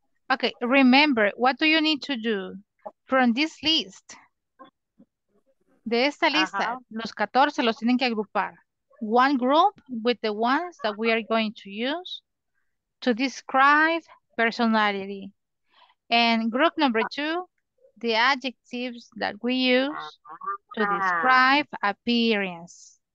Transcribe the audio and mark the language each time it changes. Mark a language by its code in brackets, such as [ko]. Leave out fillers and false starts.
[en] Okay, remember, what do you need to do from this list? [es] De esta lista, los 14 los tienen que agrupar. [en] One group with the ones that we are going to use to describe personality. And group number two, the adjectives that we use to describe appearance.